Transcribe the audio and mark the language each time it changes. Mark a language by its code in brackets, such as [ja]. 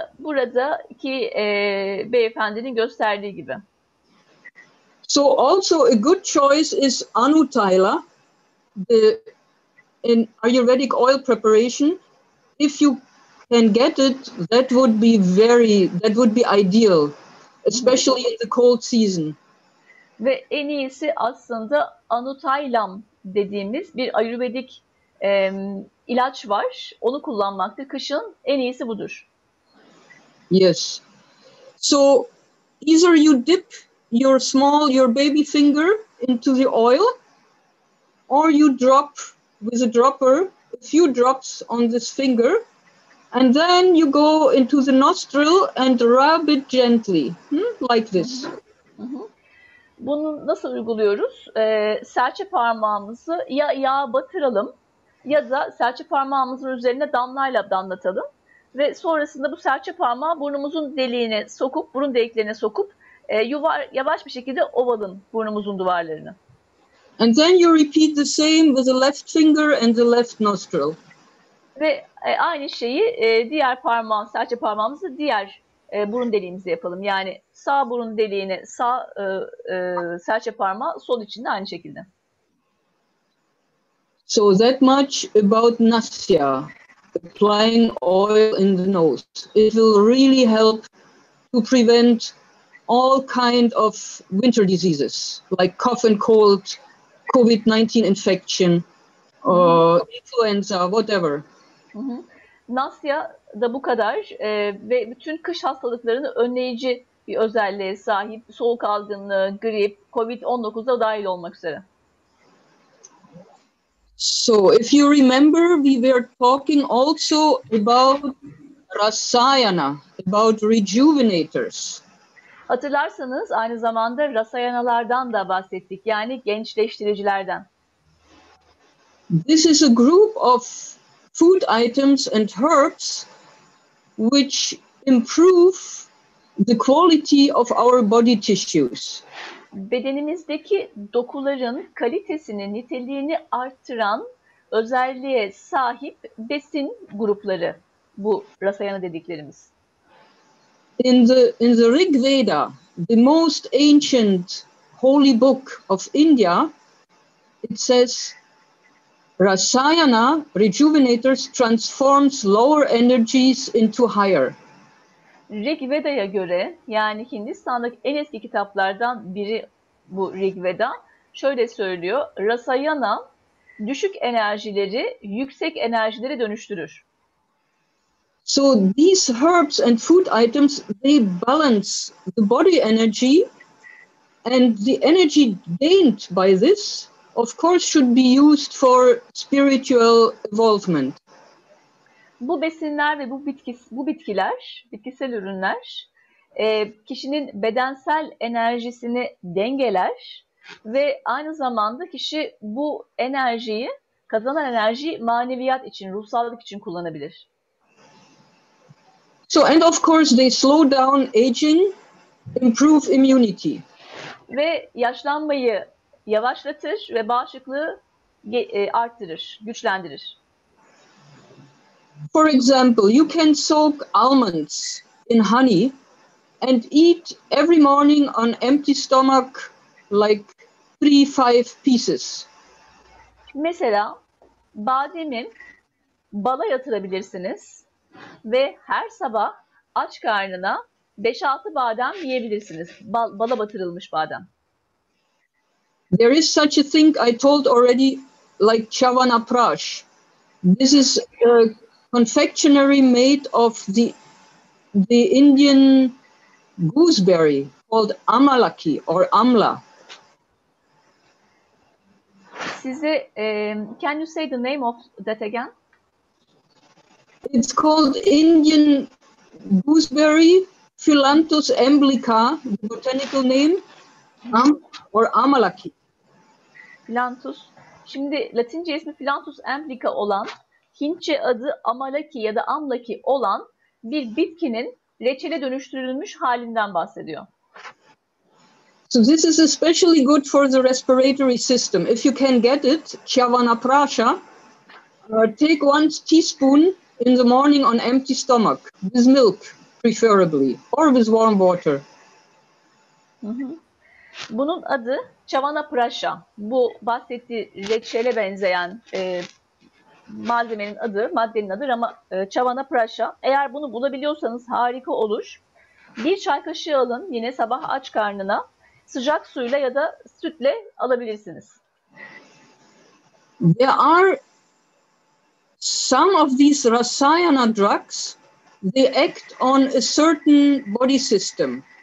[tr] Buradaki beyefendinin gösterdiği gibi. [en] So also a good choice is Anutaila, the in Ayurvedic oil preparation. If you can get it, that would be ideal. Especially in the cold season. [tr] Ve en iyisi aslında Anutailam dediğimiz bir ayurvedik ilaç var. Onu kullanmakta kışın en iyisi budur. [en] Yes. So either you dip your baby finger into the oil, or you drop with a dropper a few drops on this finger. And then you go into the nostril and rub it gently, like this. [tr] Bunu nasıl uyguluyoruz? Serçe parmağımızı ya yağ batıralım ya da serçe parmağımızın üzerine damlayla damlatalım. Ve sonrasında bu serçe parmağı burnumuzun deliğine sokup, burun deliklerine sokup yavaş bir şekilde ovalın burnumuzun duvarlarını. [en] And then you repeat the same with the left finger and the left nostril. [tr] Ve aynı şeyi diğer parmağın, serçe parmağımızı diğer burun deliğimize yapalım. Yani sağ burun deliğine sağ serçe parmağı, sol içinde aynı şekilde. [en] So that much about nasya, applying oil in the nose. It will really help to prevent all kind of winter diseases like cough and cold, COVID-19 infection, influenza, whatever. [tr] Nasya da bu kadar ve bütün kış hastalıklarını önleyici bir özelliğe sahip. Soğuk algınlığı, grip, COVID-19'a dahil olmak üzere. [en] So if you remember, we were talking also about rasayana, about rejuvenators. [tr] Hatırlarsanız aynı zamanda rasayanalardan da bahsettik, yani gençleştiricilerden. [en] This is a group of food items and herbs which improve the quality of our body tissues. [tr] Bedenimizdeki dokuların kalitesini, niteliğini artıran özelliğe sahip besin grupları bu rasayana dediklerimiz. [en] In the Rig Veda, the most ancient holy book of India, it says rasayana rejuvenators transforms lower energies into higher. [tr] Rig Veda'ya göre, yani Hindistan'daki en eski kitaplardan biri bu Rig Veda, şöyle söylüyor: rasayana düşük enerjileri yüksek enerjilere dönüştürür. [en] So these herbs and food items, they balance the body energy, and the energy gained by this, of course, should be used for spiritual evolvement. [tr] Bu besinler ve bitkisel ürünler kişinin bedensel enerjisini dengeler ve aynı zamanda kişi bu enerjiyi, kazanan enerjiyi maneviyat için, ruhsallık için kullanabilir. [en] So and of course they slow down aging, improve immunity. [tr] Ve yaşlanmayı yavaşlatır ve bağışıklığı arttırır, güçlendirir. [en] For example, you can soak almonds in honey and eat every morning on empty stomach like 3-5 pieces. [tr] Mesela bademi bala yatırabilirsiniz ve her sabah aç karnına 5-6 badem yiyebilirsiniz. Bala batırılmış badem. [en] There is such a thing I told already, like Chyawanprash. This is a confectionery made of the Indian gooseberry called amalaki or amla. Size can you say the name of that again? It's called Indian gooseberry, Phyllanthus emblica, the botanical name, or amalaki. Phyllanthus. [tr] Şimdi Latince ismi Phyllanthus emblica olan, Hintçe adı amalaki ya da amlaki olan bir bitkinin reçele dönüştürülmüş halinden bahsediyor. [en] So this is especially good for the respiratory system. If you can get it, Chyawanprasha, take one teaspoon in the morning on empty stomach, with milk preferably, or with warm water. [tr] Bunun adı Chyawanprasha. Bu bahsettiği reçele benzeyen malzemenin adı, maddenin adı Chyawanprasha. Eğer bunu bulabiliyorsanız harika olur. Bir çay kaşığı alın, yine sabah aç karnına. Sıcak suyla ya da sütle alabilirsiniz. [en] There are some of these rasayana drugs, they act on a certain body system.